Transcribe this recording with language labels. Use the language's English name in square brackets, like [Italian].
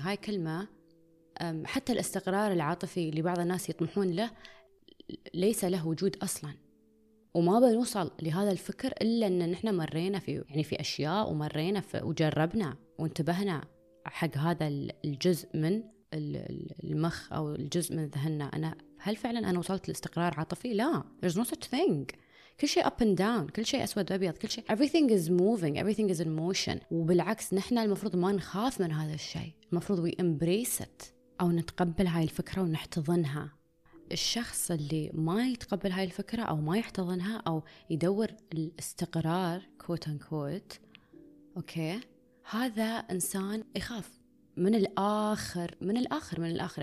[Arabic] هاي كلمة حتى الاستقرار العاطفي اللي بعض الناس يطمحون له ليس له وجود أصلاً. وما بنوصل لهذا الفكر إلا أن نحن مرينا في يعني في أشياء ومرينا في وجربنا وانتبهنا حق هذا الجزء من المخ أو الجزء من ذهننا. أنا هل فعلًا أنا وصلت لاستقرار عاطفي؟ لا. [English] There's no such thing. [Arabic] كل شيء [English] up and down، [Arabic] كل شيء أسود وأبيض، كل شيء [English] everything is moving، everything is in motion. [Arabic] وبالعكس نحن المفروض ما نخاف من هذا الشيء، المفروض [English] we embrace it [Arabic] أو نتقبل هاي الفكرة ونحتضنها. الشخص اللي ما يتقبل هاي الفكرة أو ما يحتضنها أو يدور الاستقرار [English] quote unquote، [Arabic] أوكي، هذا إنسان يخاف من الآخر من الآخر من الآخر.